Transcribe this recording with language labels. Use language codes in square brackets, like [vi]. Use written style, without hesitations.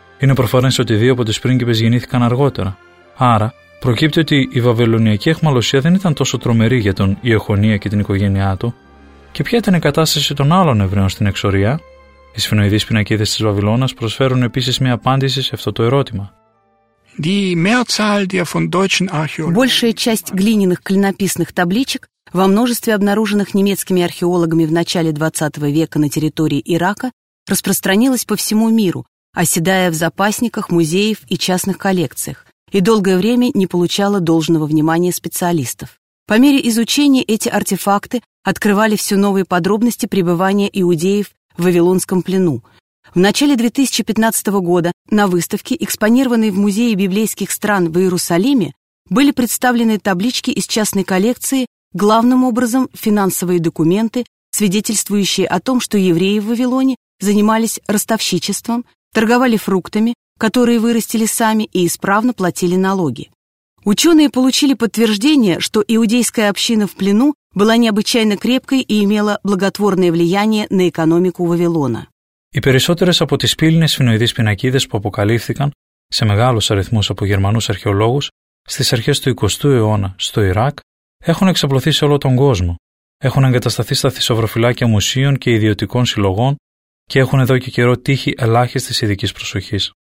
[el] Είναι προφανές ότι 2 από τις πρίγκιπες γεννήθηκαν αργότερα. Άρα, προκύπτει ότι η βαβυλωνιακή αιχμαλωσία δεν ήταν τόσο τρομερή για τον Ιεχονία και την οικογένειά του. Και ποια ήταν η κατάσταση των άλλων Εβραίων στην εξορία? Οι σφινοειδείς πινακίδες της Βαβυλώνας προσφέρουν επίσης μια απάντηση σε αυτό το ερώτημα. [ru] Большая часть глиняных клинописных табличек во множестве обнаруженных немецкими археологами в начале 20 века на территории Ирака распространилась по всему миру, оседая в запасниках, музеев и частных коллекциях, и долгое время не получала должного внимания специалистов. По мере изучения эти артефакты открывали все новые подробности пребывания иудеев в Вавилонском плену. В начале 2015 года на выставке, экспонированной в Музее библейских стран в Иерусалиме, были представлены таблички из частной коллекции, главным образом финансовые документы, свидетельствующие о том, что евреи в Вавилоне занимались ростовщичеством, торговали фруктами, которые вырастили сами и исправно платили налоги. Ученые получили подтверждение, что иудейская община в плену была необычайно крепкой и имела благотворное влияние на экономику Вавилона. [el] Οι περισσότερες από τις πύληνες σφινοειδείς πινακίδες που αποκαλύφθηκαν σε μεγάλους αριθμούς από Γερμανούς αρχαιολόγους στις αρχές του 20ου αιώνα στο Ιράκ έχουν εξαπλωθεί σε όλο τον κόσμο. Έχουν εγκατασταθεί στα θησαυροφυλάκια μουσείων και ιδιωτικών συλλογών και έχουν εδώ και καιρό τύχει ελάχιστης ειδικής προσοχής.